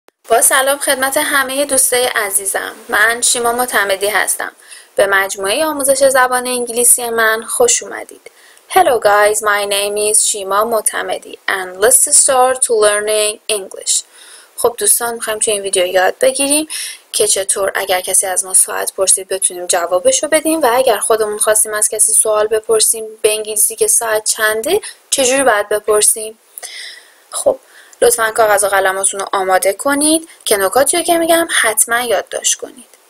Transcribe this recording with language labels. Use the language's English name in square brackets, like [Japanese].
[Persian] با سلام خدمت همه دوستای عزیزم، من شیما معتمدی هستم. به مجموعه آموزش زبان انگلیسی من خوش اومدید. [English] Hello guys, my name is شیما معتمدی and let's start to learning English. [Persian] خب دوستان، میخوایم توی این ویدیو یاد بگیریم که چطور اگر کسی از ما سوال پرسید بتونیم جوابشو بدیم و اگر خودمون خواستیم از کسی سوال بپرسیم به انگلیسی که ساعت چنده چجوری باید بپرسیم. خب لطفا کاغذ و قلماتون رو آماده کنید که نکاتی رو که میگم حتما یادداشت کنید.